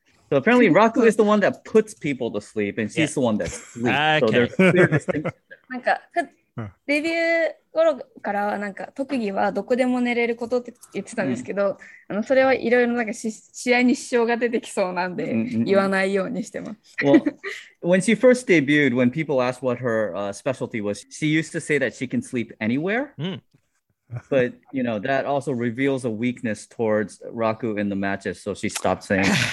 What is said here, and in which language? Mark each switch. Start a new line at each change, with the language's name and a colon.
English: So apparently Raku is the one that puts people to sleep and she's the one that sleeps. Okay. So there's clear distinction.
Japanese: デビュー頃からはなんか特技はどこでも寝れることって言ってたんですけど、うん、それはいろいろなんか試合に支障が出てきそうなんで言わないようにしてます。
English: Well, when she first debuted, when people asked what her specialty was, she used to say that she can sleep anywhere. But, you know, that also reveals a weakness towards Raku in the matches, so she stopped saying.